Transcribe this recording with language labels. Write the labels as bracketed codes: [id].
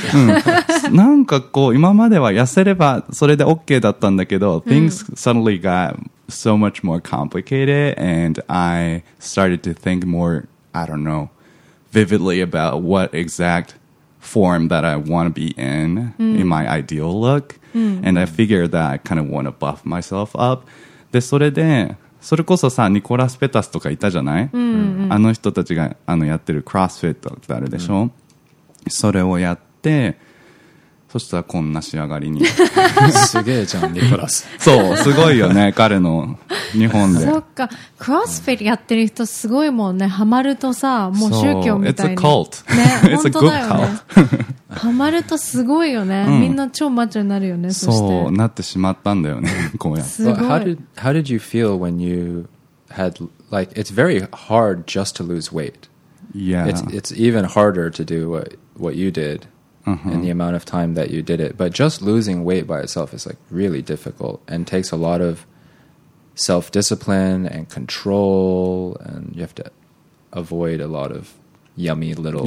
[ja] うん、なんかこう今までは痩せればそれで OK だったんだけど、 [en] うん、things suddenly got so much more complicated and I started to think more, I don't know, vividly about what exact form that I want to be in、うん、in my ideal look、うん、 and I figured that I kind of want to buff myself up. [ja] で、それでそれこそさ、ニコラス・ペタスとかいたじゃない、うんうん、あの人たちがあのやってるクロスフィットってあるでしょ、うん、それをやってそしたらこんな仕上がりにすげえじゃんニコラス。そう、すごいよね彼の日本で。そっか、クロスフィットやってる人すごいもんね。ハマるとさ、もう宗教みたいに。 [en] It's a cult、ね、 It's a good cult。 [ja] ハマるとすごいよね、うん、みんな超マッチョになるよね。そう、なってしまったんだよねこうやって。すごい。 [en] How did you feel when you had like, it's very hard just to lose weight. Yeah. It's even harder to do what you diddid. And the amount of time that you did it. But just losing weight by itself is like really difficult and takes a lot of self-discipline and control, and you have to avoid a lot of yummy little